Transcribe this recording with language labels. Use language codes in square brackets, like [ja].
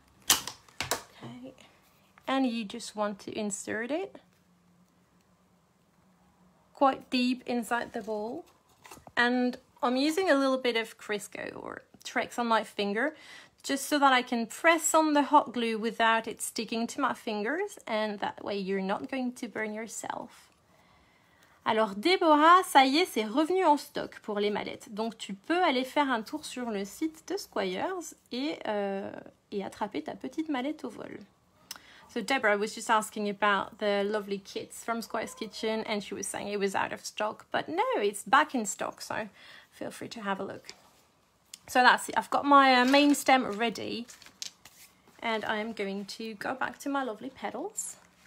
[en] Okay, and you just want to insert it quite deep inside the bowl. And I'm using a little bit of Crisco or Trex on my finger just so that I can press on the hot glue without it sticking to my fingers, and that way you're not going to burn yourself. [fr] Alors Déborah, ça y est, c'est revenu en stock pour les mallettes. Donc tu peux aller faire un tour sur le site de Squires et attraper ta petite mallette au vol. [en] So Deborah was just asking about the lovely kits from Squires Kitchen, and she was saying it was out of stock, but no, it's back in stock, so feel free to have a look. So that's it. I've got my main stem ready, and I'm going to go back to my lovely petals.